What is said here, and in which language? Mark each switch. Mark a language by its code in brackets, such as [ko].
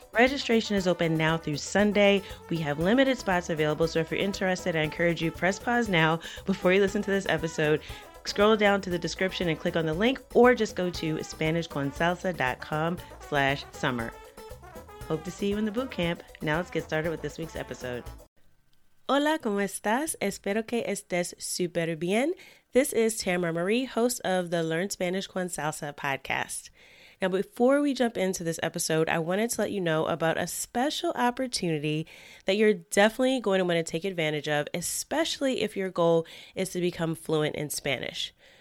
[en] Registration is open now through Sunday. We have limited spots available, so if you're interested, I encourage you press pause now before you listen to this episode. Scroll down to the description and click on the link, or just go to SpanishConSalsa.com/summer. Hope to see you in the boot camp. Now let's get started with this week's episode. [es] Hola, ¿cómo estás? Espero que estés súper bien. [en] This is Tamara Marie, host of the Learn Spanish con Salsa podcast. Now, before we jump into this episode, I wanted to let you know about a special opportunity that you're definitely going to want to take advantage of, especially if your goal is to become fluent in Spanish.